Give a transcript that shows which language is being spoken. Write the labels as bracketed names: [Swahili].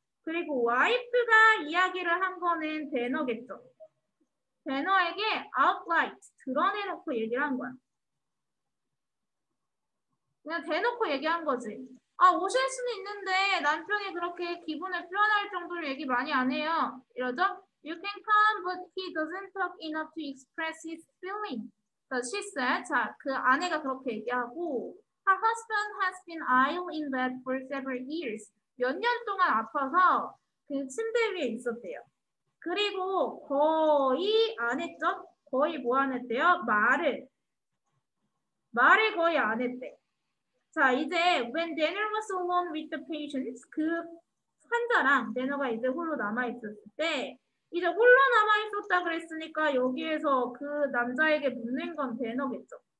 [Korean] 그리고 와이프가 이야기를 한 거는 대너겠죠. 대너에게 outright, 드러내놓고 얘기를 한 거야. 그냥 대놓고 얘기한 거지. 아, 오실 수는 있는데 남편이 그렇게 기분을 표현할 정도로 얘기 많이 안 해요. 이러죠? [English] You can come, but he doesn't talk enough to express his feeling. So she said, [Korean] 자, 그 아내가 그렇게 얘기하고, [English] her husband has been ill in bed for several years. [Korean] 몇년 동안 아파서 그 침대 위에 있었대요. 그리고 거의 안 했죠? 거의 뭐안 했대요? 말을. 말을 거의 안 했대. 자, 이제 [English] when Daniel was alone with the patients, [Korean] 그 환자랑 Daniel가 이제 홀로 남아있었을 때, 이제 홀로 남아있었다 그랬으니까 여기에서 그 남자에게 묻는 건 Daniel겠죠.